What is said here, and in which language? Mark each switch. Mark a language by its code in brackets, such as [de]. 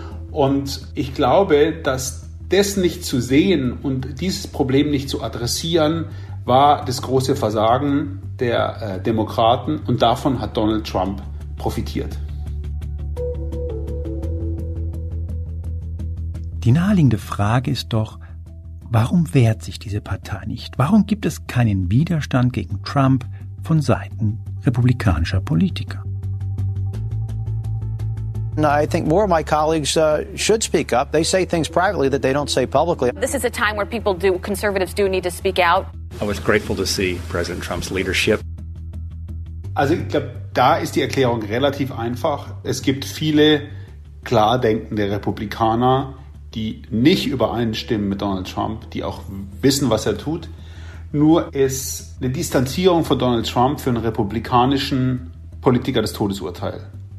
[de] Und ich glaube, dass das nicht zu sehen und dieses Problem nicht zu adressieren, war das große Versagen der Demokraten und davon hat Donald Trump profitiert. Die naheliegende Frage ist doch, warum wehrt sich diese Partei nicht? Warum gibt es keinen Widerstand gegen Trump von Seiten republikanischer Politiker? [en] I think more of my colleagues should speak up. They say things privately that they don't say publicly. This is a time where people do, conservatives do need to speak out. I was grateful to see President Trump's leadership. [de] Also ich glaube, da ist die Erklärung relativ einfach. Es gibt viele klar denkende Republikaner, die nicht übereinstimmen mit Donald Trump, die auch wissen, was er tut. Nur ist eine Distanzierung von Donald Trump für einen republikanischen Politiker das Todesurteil.